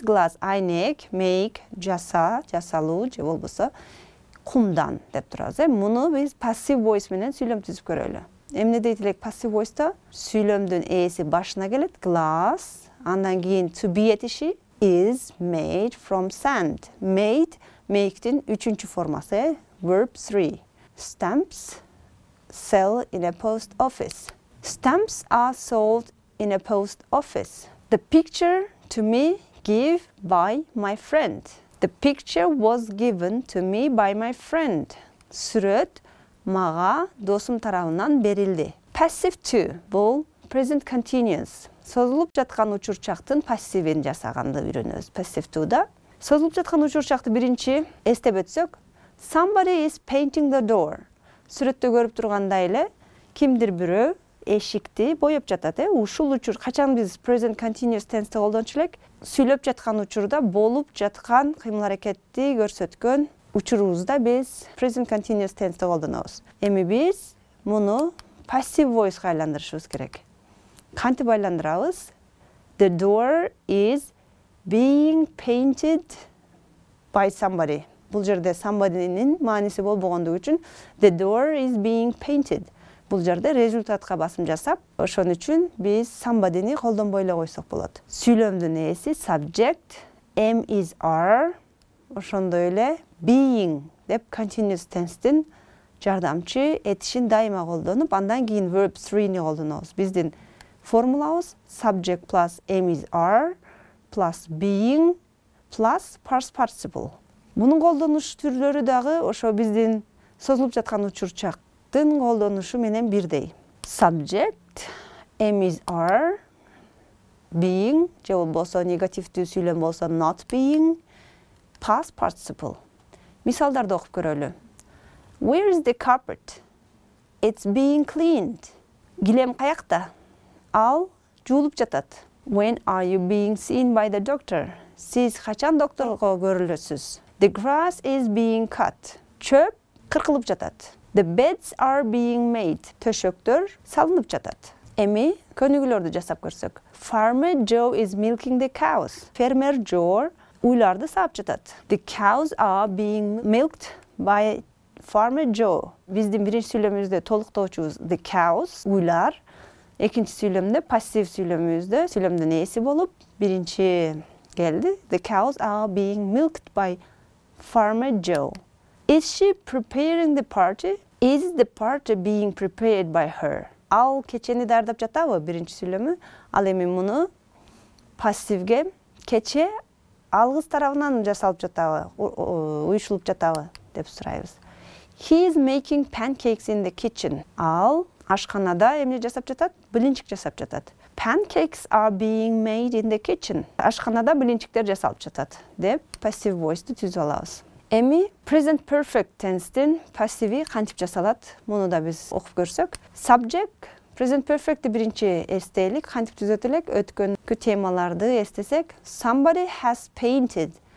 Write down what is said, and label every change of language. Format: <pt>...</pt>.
<ky>Glass айнек, make жаса, жасалуу же болбосо кумдан деп турабыз, э? Муну биз passive voice менен сүйлөм түзүп көрөлү. Эмне дейт элек passive voice-то? Сүйлөмдүн ээси башына келет, glass, андан кийин to be этиши</ky> <en>is made from sand.</en> <ky>Made make-тин үчүнчү формасы, э?</ky> <en>Verb 3. Stamps sell in a post office. Stamps are sold in a post office. The picture to me give by my friend. The picture was given to me by my friend.</en> <ky>Сүрөт мага досум тарабынан берилди.</ky> <en>Passive to бул present continuous.</en> <ky>Созулуп жаткан учурчактын пассивин жасаганды үйрөнөбүз.</ky> <en>Passive to да.</en> <ky>Созулуп жаткан учурчакты биринчи эстеп өтсөк.</ky> <en>Somebody is painting the door.</en> <ky>Сүрөттө көрүп тургандай эле кимдир бирөө эшикти боеп жатат, э? Ушул учур качан биз present continuous tense колдончу элек сүйлөп жаткан учурда болуп жаткан кыймыл аракетти көрсөткөн учурубузда биз present continuous tense колдонобуз. Эми биз муну passive voice-ка айландырышыбыз керек. Кантип айландырабыз?</ky> <en>The door is being painted by somebody.</en> <ky>Бул жерде somebody-нин мааниси болбогондугу үчүн</ky> <en>the door is being painted.</en> <ky>Бул жерде результатка басым жасап, ошон үчүн биз somebody-ни колдонбой эле койсок болот. Сүйлөмдүн ээси subject, am is are, ошондой эле being деп continuous tense-тин жардамчы этишин дайыма колдонуп, андан кийин verb 3-ни колдонобуз. Биздин формулабыз</ky> <en>subject plus am is are plus being plus past participle.</en> <ky>Мунун колдонуш түрлөрү дагы ошо биздин созулуп жаткан учурчак тын колдонушу менен бирдей. Subject, am is are, being же болсо негативдүү сүйлөм болсо not being, past participle. Мисалдарды окуп көрөлү.</ky> <en>Where is the carpet? It's being cleaned.</en> <ky>Килем каякта? Ал жуулуп жатат.</ky> <en>When are you being seen by the doctor?</en> <ky>Сиз качан докторго көрүлөсүз?</ky> <en>The grass is being cut.</en> <ky>Чөп кыркылып жатат.</ky> <en>The beds are being made.</en> <ky>Төшөктөр салынып жатат. Эми көнүгүүлөрдү жасап көрсөк.</ky> <en>Farmer Joe is milking the cows.</en> <ky>Фермер Джо уйларды саап жатат.</ky> <en>The cows are being milked by Farmer Joe.</en> <ky>Биздин биринчи сүйлөмүбүздө толуктоочубуз the cows уйлар. Экинчи сүйлөмдө пассив сүйлөмүбүздө сүйлөмдүн ээси болуп, биринчи келди.</ky> <en>The cows are being milked by Farmer Joe. Is she preparing the party? Is the party being prepared by her?</en> <ky>Ал кечени даярдап жатабы? Биринчи сүйлөмү. Ал эми муну пассивге кече ал кыз тарабынан жасалып жатабы? Уюшулуп жатабы деп сурайбыз.</ky> <en>He is making pancakes in the kitchen.</en> <ky>Ал ашканада эмне жасап жатат? Блинчик жасап жатат.</ky> <en>Pancakes are being made in the kitchen.</en> <ky>Ашканада блинчиктер жасалып жатат деп passive voice-ту түзүп алабыз. Эми present perfect tense-тин пассиви кантип жасалат? Муну да биз окуп көрсөк. Subject present perfect-ти биринчи эстелик, кантип түзөт элек? Өткөнкү темаларды эстесек, somebody has painted.</ky>